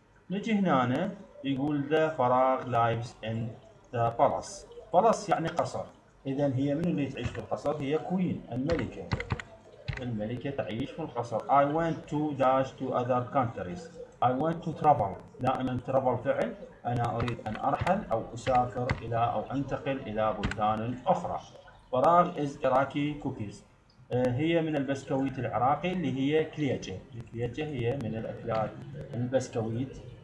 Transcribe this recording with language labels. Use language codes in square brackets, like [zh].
[ar] نجي هنا يقول ذا فراغ [en] lives in the palace. [ar] palace يعني قصر، اذا هي من اللي تعيش في القصر؟ هي كوين، الملكة. الملكة تعيش في القصر. [en] I went to dash to other countries. I went to travel. [ar] دائما travel فعل، أنا أريد أن أرحل أو أسافر إلى أو أنتقل إلى بلدان أخرى. فراغ [en] is Iraqi cookies. [ar] هي من البسكويت العراقي اللي هي كلياجه. الكلياجه هي من الاكلات البسكويت.